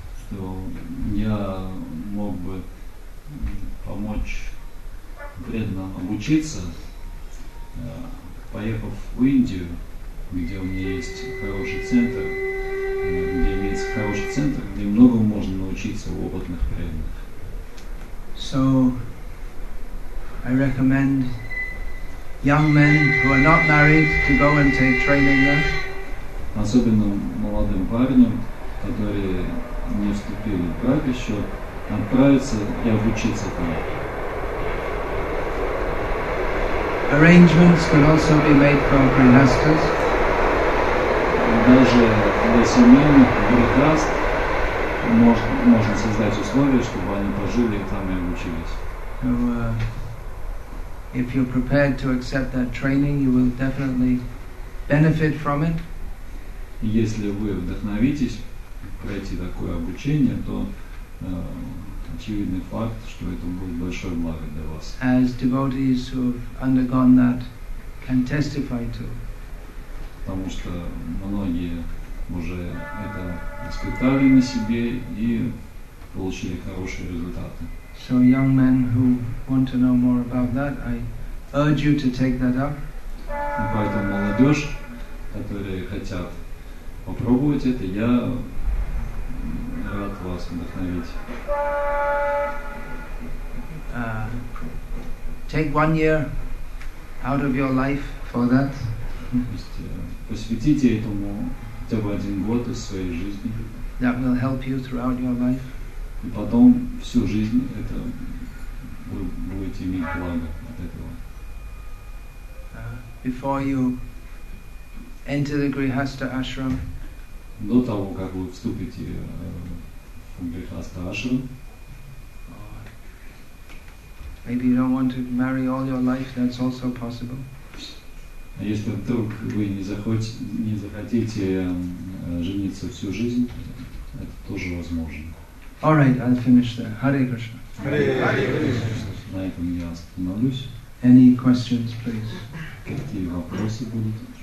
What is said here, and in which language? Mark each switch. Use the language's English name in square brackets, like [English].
[Russian] То я мог бы помочь вредно обучиться, поехав в Индию, где у меня есть хороший центр, где имеется хороший центр, где многому можно научиться у опытных преданных. [English] So I recommend young men who are not married to go and take training there. [Russian] Особенно молодым парням, которые не вступили в брак еще, отправиться и обучиться там. [English] Arrangements can also be made for grihasthas. [Russian] Даже для семейных грихаст можно создать условия, чтобы они пожили там и обучились. [English] So, if you're prepared to accept that training, you will definitely benefit from it. [Russian] Если вы вдохновитесь пройти такое обучение, то очевидный факт, что это будет большой благо для вас. [English] As devotees who have undergone that can testify to. [Russian] Потому что многие уже это испытали на себе и получили хорошие результаты. [English] So young men who want to know more about that, I urge you to take that up. [Russian] И поэтому молодежь, которые хотят попробовать это, я рад вас вдохновить. [English] Take 1 year out of your life for that. [Russian] Посвятите этому хотя бы 1 год из своей жизни. [English] That will help you throughout your life. [Russian] И потом всю жизнь это вы будете иметь благо от этого. [English] Before you enter the Grihastha ashram. [Russian] До того, как вы вступите в грихастха ашрам. [English] Maybe you don't want to marry all your life, that's also possible. [Russian] А если вдруг вы не захотите жениться всю жизнь, это тоже возможно. [English] All right, I'll finish there. Hare Krishna. Hare Krishna. [Russian] На этом я остановлюсь. [English] Any questions, please? [Russian] Какие вопросы будут?